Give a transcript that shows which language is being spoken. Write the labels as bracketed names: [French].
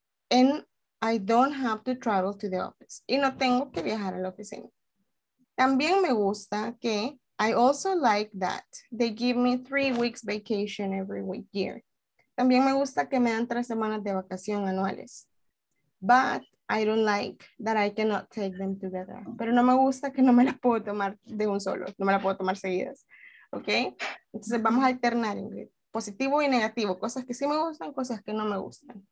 [English] And I don't have to travel to the office, y no tengo que viajar a la oficina. También me gusta que, I also like that they give me 3 weeks vacation every week year. [Spanish] También me gusta que me dan 3 semanas de vacación anuales. [English] But I don't like that I cannot take them together. [Spanish] Pero no me gusta que no me las puedo tomar de un solo. No me las puedo tomar seguidas. ¿Ok? Entonces vamos a alternar, Ingrid. Positivo y negativo. Cosas que sí me gustan, cosas que no me gustan.